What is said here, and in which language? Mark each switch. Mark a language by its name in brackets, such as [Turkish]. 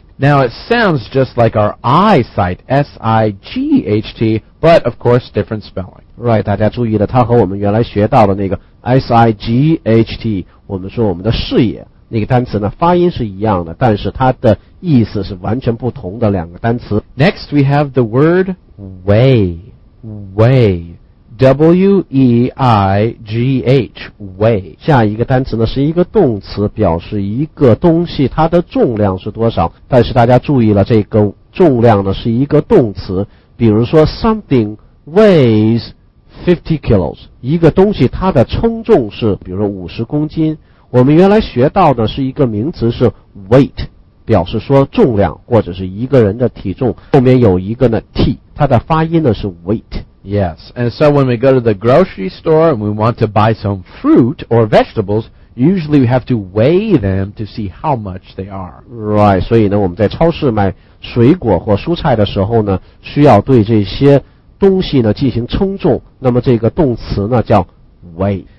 [English] Now it sounds just like our eyesight, S-I-G-H-T, but of course different spelling. [Chinese] Right, 大家注意了，它和我们原来学到的那个 S-I-G-H-T, 我们说我们的视野，那个单词呢，发音是一样的，但是它的意思是完全不同的两个单词。 [English] Next we have the word way, way, W-E-I-G-H, way. [Chinese] 下一个单词呢是一个动词，表示一个东西它的重量是多少。但是大家注意了，这个重量呢是一个动词。比如说 something weighs 50 kilos, 一个东西它的称重是比如说50公斤。我们原来学到的是一个名词是 weight, 表示说重量或者是一个人的体重。后面有一个呢 T, 它的发音呢是 weight。 [English] Yes, and so when we go to the grocery store and we want to buy some fruit or vegetables, usually we have to weigh them to see how much they are. [Chinese] Right, 所以呢我们在超市买水果或蔬菜的时候呢需要对这些东西呢进行称重，那么这个动词呢叫 weigh.